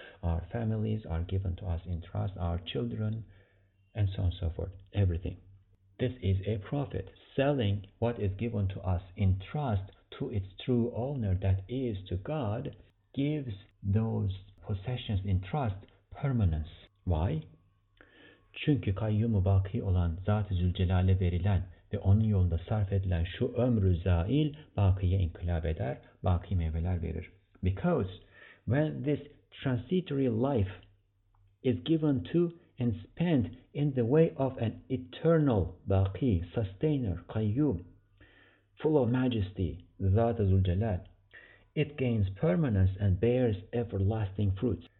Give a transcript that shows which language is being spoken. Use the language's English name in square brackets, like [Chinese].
[English] Our families are given to us in trust. Our children, and so on and so forth. Everything. This is a profit. Selling what is given to us in trust to its true owner, that is to God, gives those possessions in trust permanence. Why? [Turkish] Çünkü kayyumu baki olan Zat-ı Zülcelal'e verilen ve onun yolunda sarf edilen şu ömrü zail bakiye inkılap eder, baki meyveler verir. [English] Because when this transitory life is given to and spent in the way of an eternal baki, sustainer, kayyum, full of majesty, Zat-ı Zülcelal, it gains permanence and bears everlasting fruits.